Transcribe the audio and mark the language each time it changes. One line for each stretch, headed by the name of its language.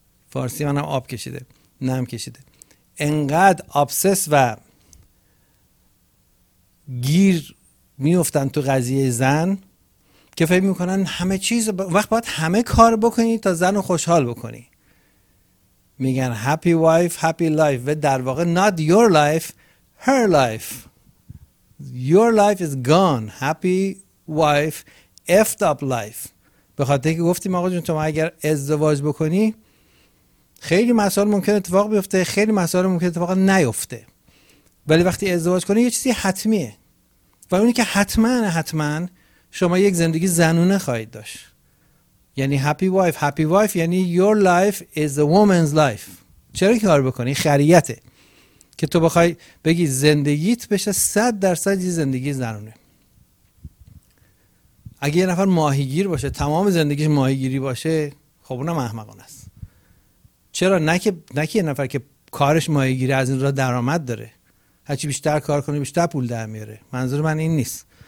Persian: فارسی منم آب کشیده، نم کشیده. انقدر ابسس و گیر میفتن تو قضیه زن که فکر میکنن همه چیز وقت باید همه کار بکنی تا زن رو خوشحال بکنی. میگن
English: happy wife happy life،
Persian: و در واقع
English: not your life her life. Your life is gone. Happy wife, effed up life.
Persian: به خاطر که گفتیم آقا جون تو ما اگر ازدواج بکنی خیلی مسائل ممکن اتفاق بیفته، خیلی مسائل ممکن اتفاق نیفته، ولی وقتی ازدواج کنی یه چیزی حتمیه، و اونی که حتماً حتماً شما یک زندگی زنونه خواهید داشت. یعنی
English: happy wife happy wife یعنی your life is a woman's life.
Persian: چرا کار بکنی؟ خریته که تو بخوای بگی زندگیت بشه 100% زندگی زنونه. اگه یه نفر ماهیگیر باشه تمام زندگیش ماهیگیری باشه، خب اونم احمقانه است. چرا؟ نه که یه نفر که کارش ماهیگیری از این را درآمد داره، هرچی بیشتر کار کنه بیشتر پول در میاره. منظور من این نیست.